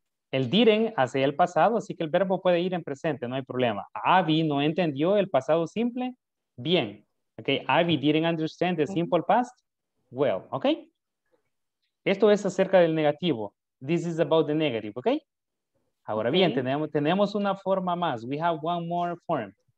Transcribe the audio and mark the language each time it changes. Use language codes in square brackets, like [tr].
[es] El didn't hace el pasado, así que el verbo puede ir en presente, no hay problema. Abby no entendió el pasado simple, bien, ¿ok? [en] Abby didn't understand the simple past, well, ¿ok? [es] Esto es acerca del negativo, [en] this is about the negative, [es] ¿ok? Ahora bien, tenemos una forma más, [en] we have one more form.